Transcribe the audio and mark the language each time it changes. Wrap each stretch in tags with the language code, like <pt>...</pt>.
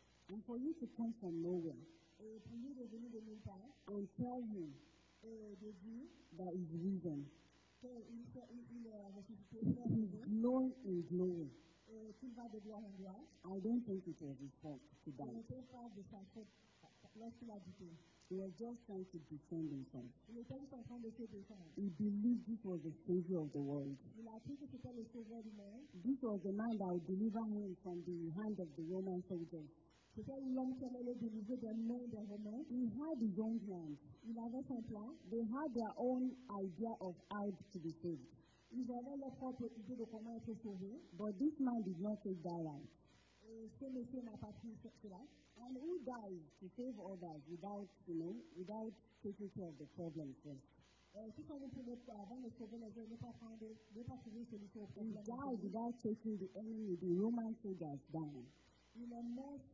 <en>And for you to come from nowhere and tell him that he's risen, he's known in glory.</en> <fr>qu'il va de gloire en gloire.</fr> <en>I don't think it's a report to God.</en> <fr>Je ne pense pas de sa faute lorsqu'il a dit.</fr> <en>He was just trying to defend himself.</en> <fr>Il était juste en train de se défendre.</fr> <en>He believed it was the savior of the world.</en> <fr>Il a cru que c'était le sauveur du monde.</fr> <en>This was the man that would deliver him from the hand of the Roman soldiers.</en> <fr>C'était l'homme qui allait le délivrer des mains des Romains.</fr> <en>He had his own plan.</en> <fr>Il avait son plan.</fr> <en>They had their own idea of how to be saved.</en> <fr>Ils avaient leur propre idée de comment être sauvé.</fr> <en>But this man did not take that life.</en> <fr>Ce monsieur n'a pas pris cette life.</fr> <en>And who dies to save others without, you know, without taking care of the problem first? He died without taking the enemy, the Roman soldiers down.</en>